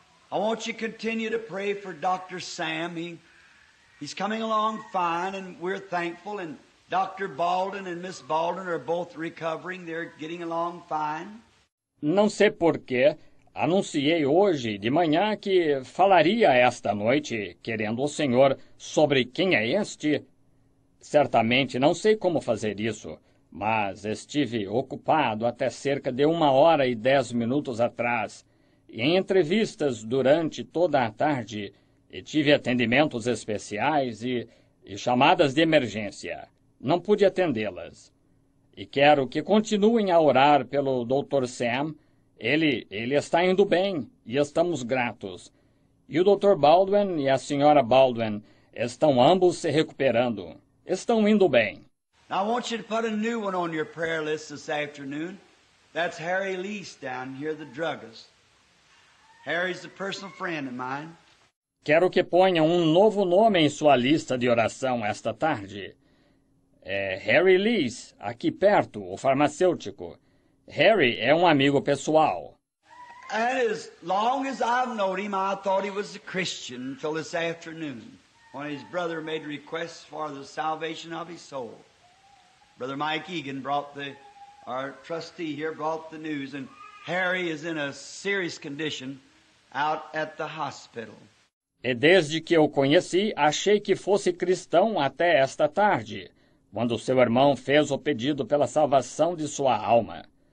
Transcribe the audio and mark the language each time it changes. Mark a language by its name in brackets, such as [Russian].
[English] And I want you to continue to pray for Dr. Sam. He's coming along fine, and we're thankful. And Dr. Baldwin and Miss Baldwin are both recovering. They're getting along fine. [Portuguese] Não sei por quê. Anunciei hoje de manhã que falaria esta noite, querendo o Senhor, sobre quem é este. Certamente não sei como fazer isso, mas estive ocupado até cerca de 1 hora e 10 minutos atrás, em entrevistas durante toda a tarde, e tive atendimentos especiais e chamadas de emergência. Não pude atendê-las. E quero que continuem a orar pelo Dr. Sam. Ele está indo bem, e estamos gratos. E o Dr. Baldwin e a Sra. Baldwin estão ambos se recuperando. Estão indo bem. [English] I want you to put a new one on your prayer list this afternoon. That's Harry Lees down here, the druggist. Harry's a personal friend of mine. [Portuguese] Quero que ponha um novo nome em sua lista de oração esta tarde. É Harry Lees, aqui perto, o farmacêutico. Harry é um amigo pessoal. [English] And as long as I've known him, I thought he was a Christian until this afternoon, when his brother made requests for the salvation of his soul. Brother Mike Egan brought our trustee here brought the news, and Harry is in a serious condition out at the hospital. [Portuguese] E desde que o conheci, achei que fosse cristão até esta tarde, quando seu irmão fez o pedido pela salvação de sua alma.